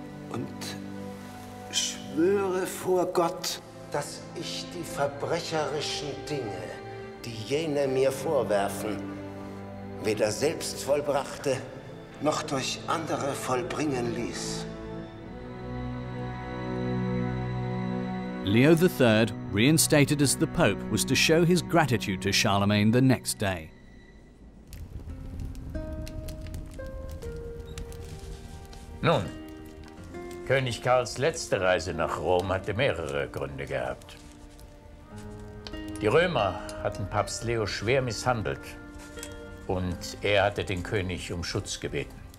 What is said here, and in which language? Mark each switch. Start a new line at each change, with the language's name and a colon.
German: Und schwöre vor Gott, dass ich die verbrecherischen Dinge, die jene mir vorwerfen, weder selbst vollbrachte, noch durch andere vollbringen ließ.
English: Leo III, reinstated as the Pope, was to show his gratitude to Charlemagne the next day.
German: Nun, König Karls letzte Reise nach Rom hatte mehrere Gründe gehabt. Die Römer hatten Papst Leo schwer misshandelt und er hatte den König um Schutz gebeten.